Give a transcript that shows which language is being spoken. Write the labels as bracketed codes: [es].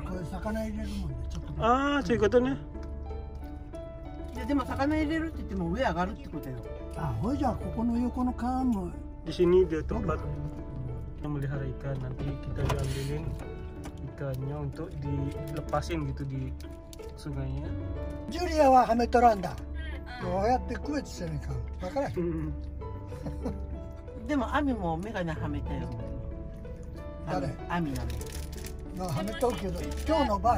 [ja] 魚入れるもんね、ちょっと。ああ、そういうことね。いや、でも魚入れるって言っても上上がるってことよ。あ、ほいじゃあここの横の川も一緒にで取っ払う。 [id] でも melihara ikan nanti kita ambilin ikannya untuk dilepasin gitu di sungainya. [ja] ジュリアははめとらんだ。どうやって区別するか。わからん。でもアミもメガネはめたよ。誰？アミなの。はめとくけど、今日の場合、